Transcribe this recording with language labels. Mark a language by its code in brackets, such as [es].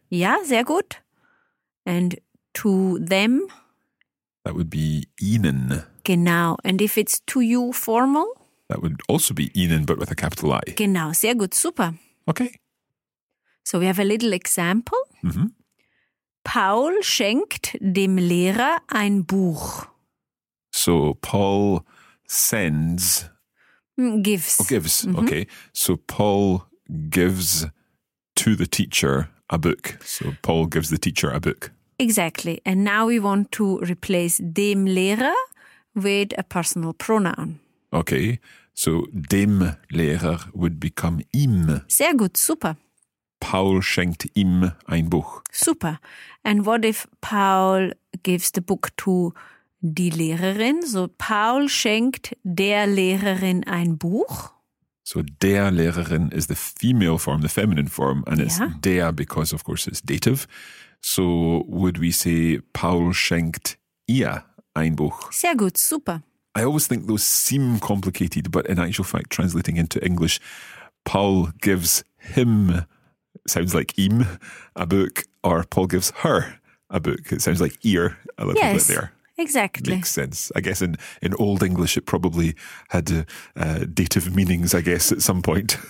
[de] Ja, sehr gut. [en] And to them. That would be ihnen. Genau. And if it's to you, formal. That would also be ihnen, but with a capital I. [de] Genau. Sehr gut. Super. [en] Okay. So we have a little example. Mm-hmm. [de] Paul schenkt dem Lehrer ein Buch. [en] So Paul sends. Gives. Oh, gives. Mm-hmm. Okay. So Paul gives to the teacher a book. So Paul gives the teacher a book. Exactly. And now we want to replace dem Lehrer with a personal pronoun. Okay. So dem Lehrer would become ihm. [de] Sehr gut. Super. Paul schenkt ihm ein Buch. [en] Super. And what if Paul gives the book to die Lehrerin? [de] So Paul schenkt der Lehrerin ein Buch. [en] So der Lehrerin is the female form, the feminine form, and it's der because, of course, it's dative. So would we say [de] Paul schenkt ihr ein Buch? Sehr gut, super. [en] I always think those seem complicated, but in actual fact, translating into English, Paul gives him, sounds like ihm, a book, or Paul gives her a book. It sounds like ihr a little yes. bit there. Exactly. Makes sense. I guess in Old English it probably had dative meanings, I guess, at some point.